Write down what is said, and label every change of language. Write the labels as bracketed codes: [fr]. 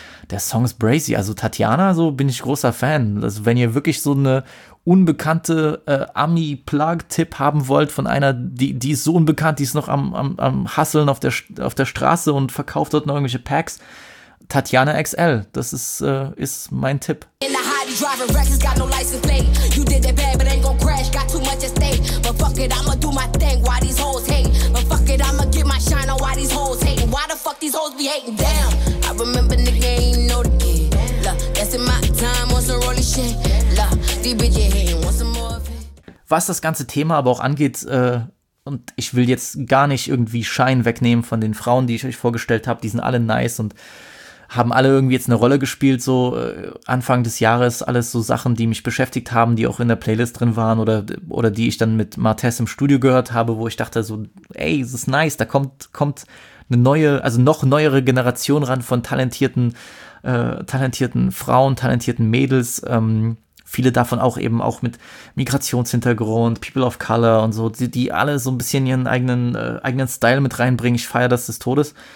[de] der Song ist brazy, also Tatiana, so bin ich großer Fan, also wenn ihr wirklich so eine unbekannte Ami-Plug-Tipp haben wollt von einer, die ist so unbekannt, die ist noch am Hustlen auf der Straße und verkauft dort noch irgendwelche Packs, Tatiana XL, das ist mein Tipp. [en] Driving wrecks, got no license plate. You did that bad, but ain't gon' crash. Got too much at stake. But fuck it, I'ma do my thing. Why these hoes hate? But fuck it, I'ma get my shine on. Why these hoes hate? Why the fuck these hoes be hating? Damn, I remember nigga ain't know the kid. Look, that's in my time on some rolling shit. Look, these bitches hating. Want some more of it? [de] Was das ganze Thema aber auch angeht, und ich will jetzt gar nicht irgendwie Schein wegnehmen von den Frauen, die ich euch vorgestellt habe. Die sind alle nice und haben alle irgendwie jetzt eine Rolle gespielt, so Anfang des Jahres, alles so Sachen, die mich beschäftigt haben, die auch in der Playlist drin waren oder die ich dann mit Martez im Studio gehört habe, wo ich dachte so, ey, es ist nice, da kommt eine neue, also noch neuere Generation ran von talentierten Frauen, talentierten Mädels, viele davon auch eben auch mit Migrationshintergrund, People of Color und so, die alle so ein bisschen ihren eigenen Style mit reinbringen, ich feiere das des Todes.